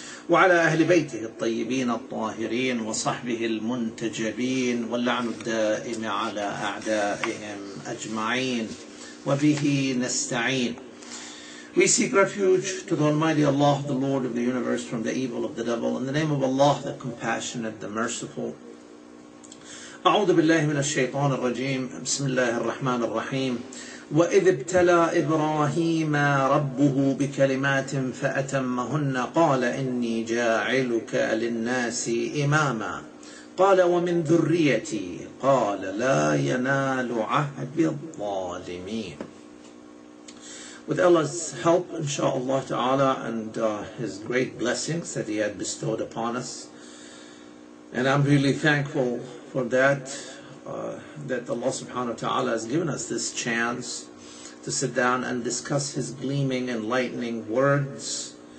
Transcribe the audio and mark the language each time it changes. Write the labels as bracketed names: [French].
[Arabic] وعلى أهل بيته الطيبين الطاهرين وصحبه المنتجبين واللعن الدائم على أعدائهم أجمعين وبه نستعين. [English] We seek refuge to the Almighty Allah, the Lord of the universe, from the evil of the devil. In the name of Allah, the compassionate, the merciful. [Arabic] أعوذ بالله من الشيطان الرجيم. بسم الله الرحمن الرحيم. وإذ ابتلى إبراهيم ربه بكلمات فأتمهن قال إني جاعلك للناس إماما قال ومن ذريتي قال لا ينال عهد الظالمين. [English] With Allah's help, inshaAllah ta'ala, and His great blessings that He had bestowed upon us. And I'm really thankful for that, that Allah subhanahu wa ta'ala has given us this chance to sit down and discuss His gleaming, enlightening words.